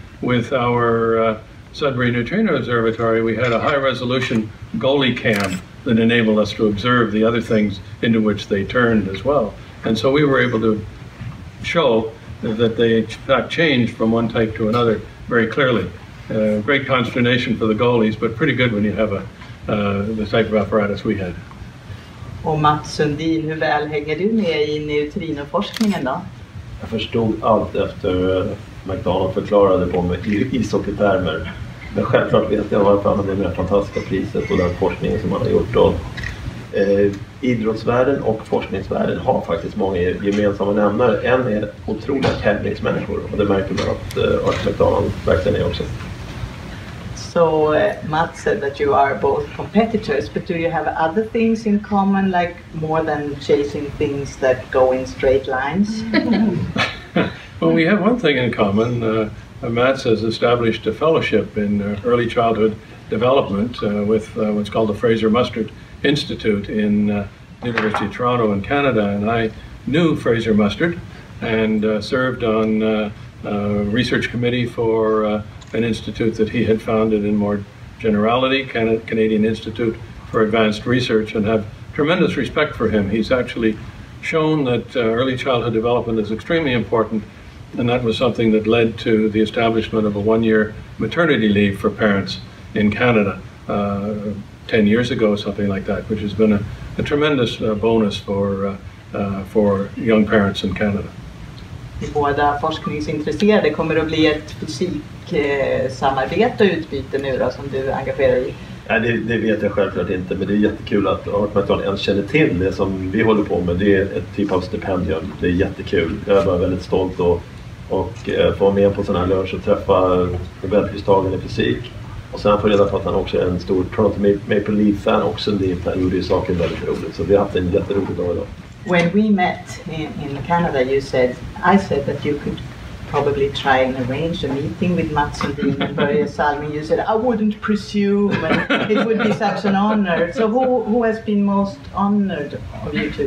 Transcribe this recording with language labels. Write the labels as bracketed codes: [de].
[en] With our Sudbury Neutrino Observatory, we had a high-resolution goalie cam that enabled us to observe the other things into which they turned as well. And so we were able to show that they in fact changed from one type to another very clearly. Great consternation for the goalies, but pretty good when you have the type of apparatus we had. [sv] Och Mats Sundin, hur väl hänger du med i neutrinoforskningen då? Jag förstod allt efter McDonald förklarade på mig ishockeytermer. Men självklart vet jag varför han hade det fantastiska priset och den forskningen som han har gjort. Och, idrottsvärlden och forskningsvärlden har faktiskt många gemensamma nämnare. En är otroliga tävlingsmänniskor och det märker man att McDonald verkligen är också. [en] So Matt said that you are both competitors, but do you have other things in common, like more than chasing things that go in straight lines? Well, we have one thing in common. Matt has established a fellowship in early childhood development with what's called the Fraser Mustard Institute in the University of Toronto in Canada. And I knew Fraser Mustard and served on a research committee for an institute that he had founded in more generality, Canadian Institute for Advanced Research, and have tremendous respect for him. He's actually shown that early childhood development is extremely important, and that was something that led to the establishment of a one-year maternity leave for parents in Canada 10 years ago, something like that, which has been a tremendous bonus for young parents in Canada. [sv] Båda forskningsintresserade kommer att bli ett fysiksamarbete och utbyte nu då, som du engagerar i? Nej, det vet jag självklart inte, men det är jättekul att McDonald ens känner till det som vi håller på med. Det är ett typ av stipendium. Det är jättekul. Jag är bara väldigt stolt och få med på sådana här lunch och träffa Nobelpristagaren i fysik. Och sen får jag reda på att han också är en stor Toronto Maple Leaf-fan också. Det gjorde ju saker väldigt roligt, så vi har haft en jätterolig dag idag. [en] When we met in Canada, I said that you could probably try and arrange a meeting with Mats Sundin and Börje Salming. You said, I wouldn't presume, and it would be such an honor. So who has been most honored of you two?